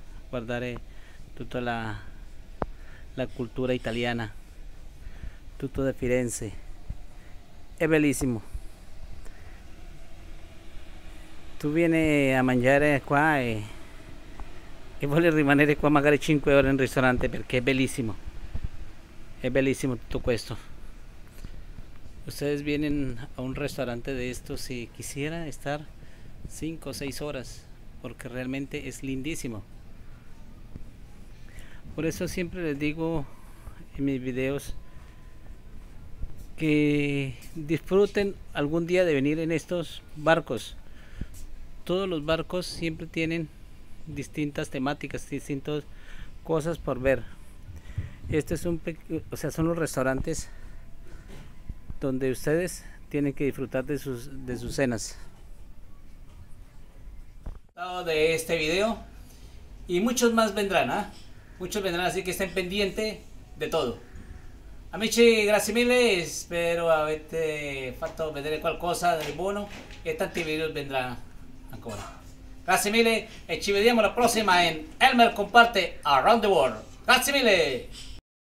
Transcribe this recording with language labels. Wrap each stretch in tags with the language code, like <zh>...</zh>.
<it>Guardare tutta la cultura italiana, tutto de Firenze, è bellissimo. Tu vieni a mangiare qua e vuole rimanere qua magari 5 ore in ristorante perché è bellissimo tutto questo.</it> <es>Ustedes vienen a un restaurante de estos y quisiera estar 5 o 6 horas porque realmente es lindísimo. Por eso siempre les digo en mis videos que disfruten algún día de venir en estos barcos. Todos los barcos siempre tienen distintas temáticas, distintas cosas por ver. Este es un, o sea, son los restaurantes donde ustedes tienen que disfrutar de sus cenas. De este video y muchos más vendrán, ¿eh? Muchos vendrán, así que estén pendientes de todo.</es> <it>Amici, grazie mille, spero avete fatto vedere qualcosa del buono e tanti video vendranno ancora. Grazie mille e ci vediamo alla prossima in Elmer Comparte Around the World. Grazie mille!</it>